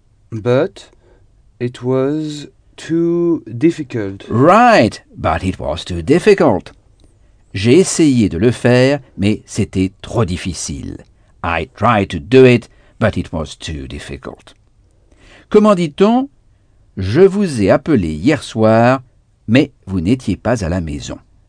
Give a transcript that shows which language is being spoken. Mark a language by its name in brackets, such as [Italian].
[English] But it was too difficult. Right, but it was too difficult. [French] J'ai essayé de le faire, mais c'était trop difficile. [English] I tried to do it, but it was too difficult. [French] Comment dit-on? Je vous ai appelé hier soir, mais vous n'étiez pas à la maison.